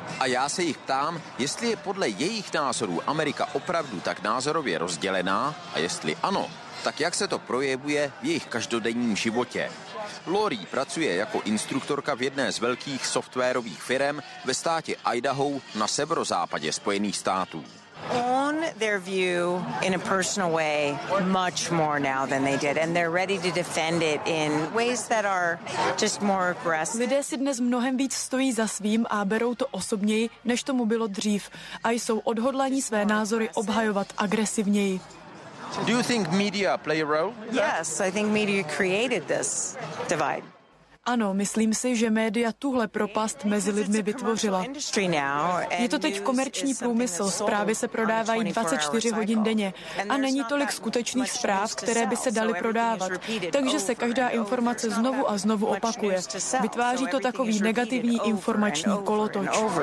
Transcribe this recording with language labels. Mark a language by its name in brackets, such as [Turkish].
[Czech] A já se jich ptám, jestli je podle jejich názorů Amerika opravdu tak názorově rozdělená, a jestli ano, tak jak se to projevuje v jejich každodenním životě. Lori pracuje jako instruktorka v jedné z velkých softwarových firem ve státě Idaho na severozápadě Spojených států. [English] On their view in a personal way much more now than they did, and they're ready to defend it in ways that are just more aggressive. [Czech] Lidé si dnes mnohem víc stojí za svým a berou to osobněji, než tomu bylo dřív, a jsou odhodlaní své názory obhajovat agresivněji. [English] Do you think media play a role? Yes, I think media created this divide. [Czech] Ano, myslím si, že média tuhle propast mezi lidmi vytvořila. Je to teď komerční průmysl, zprávy se prodávají 24 hodin denně a není tolik skutečných zpráv, které by se daly prodávat. Takže se každá informace znovu a znovu opakuje. Vytváří to takový negativní informační kolotoč.